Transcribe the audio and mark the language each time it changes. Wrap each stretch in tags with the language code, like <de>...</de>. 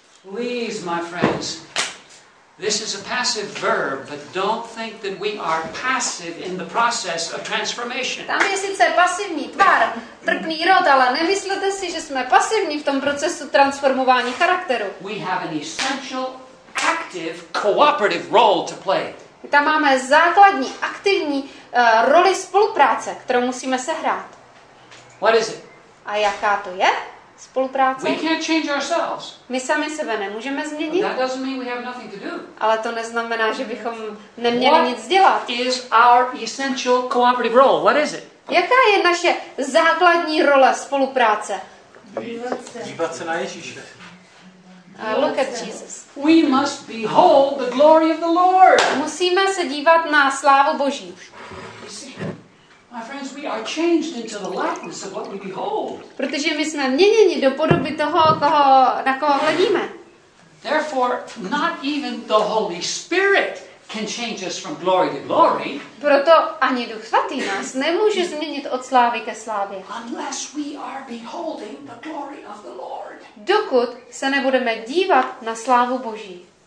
<en>Please, my friends, this is a passive verb, but don't think that we are passive in the process of transformation.</en> <cs>Tam je sice pasivní tvar, trpný rod, ale nemyslete si, že jsme pasivní v tom procesu transformování charakteru.</cs> <en>We have an essential, active, cooperative role to play.</en> <cs>Tam máme základní, aktivní roli spolupráce, kterou musíme sehrát.</cs> <en>What is it?</en> <cs>A jaká to je? Spolupráce.</cs> <en>We can't change ourselves.</en> <cs>My sami sebe nemůžeme změnit.</cs> <en>That doesn't mean we have nothing to do.</en> <cs>Ale to neznamená, že bychom neměli</cs> <en>What</en> <cs>nic dělat.</cs> <en>Is our essential cooperative role? What is it?</en> <cs>Jaká je naše základní role spolupráce? Dívat se na Ježíše.</cs> <en>Look at Jesus. We must behold the glory of the Lord.</en> <cs>Musíme se dívat na slávu Boží.</cs> <en>My friends, we are changed into the likeness of what we behold.</en> <cs>Protože my jsme měněni do podoby toho, koho, na koho hledíme.</cs> <en>Therefore, not even the Holy Spirit can change us from glory to glory.</en> <cs>Proto ani Duch Svatý nás nemůže změnit od slávy ke slávě.</cs> <en>Unless we are beholding the glory of the Lord.</en> <cs>Dokud se nebudeme dívat na slávu Boží.</cs>